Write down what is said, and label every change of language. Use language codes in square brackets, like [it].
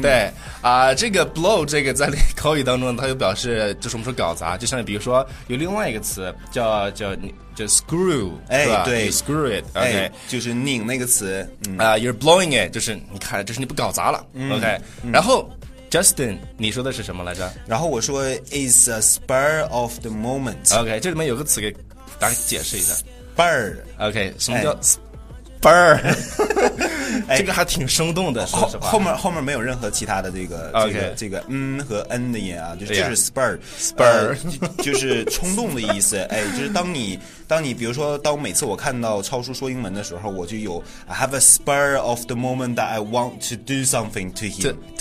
[zh] 对啊，这个 blow 这个在口语当中，它就表示就是我们说搞砸，就像比如说有另外一个词叫你。就 screw, 哎，对 [en] ，screw it, OK,、 [zh] 哎、就是拧那个词， [en] you're blowing it, [zh] 就是你看，就是你不搞砸了、嗯、，OK、嗯。然后 Justin, 你说的是什么来着？然后我说 [en] is a spur of the moment, OK。 [zh] 这里面有个词给大家解释一下 [en] ，spur, [zh] OK。 什么叫 spur？、哎、这个还挺生动的，哎、说实话。后面没有任何其他的 okay. 这个嗯和嗯的音啊，就是 [en] spur,、 [zh] 就是冲动的意思，哎，就是当你比如说当每次我看到超叔说英文的时候，我就有 [en] I have a spur of the moment that I want to do something to him